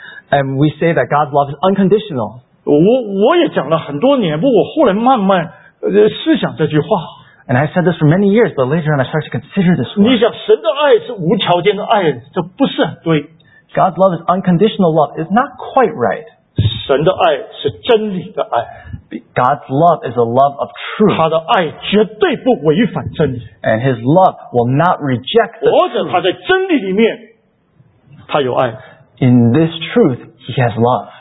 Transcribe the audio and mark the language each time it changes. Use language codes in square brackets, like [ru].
[en] And we say that God's love is unconditional. [zh] 我也讲了很多年，不过我后来慢慢 思想这句话, [en] and I said this for many years, but later on I started to consider this one. [zh] 你想神的爱是无条件的爱，这不是很对。 [en] God's love is unconditional love. It's not quite right. [zh] 神的爱是真理的爱。 [en] God's love is a love of truth. [zh] 他的爱绝对不违反真理。 [en] And his love will not reject the truth. [zh] 或者他在真理里面, 他有爱。 [en] In this truth, he has love.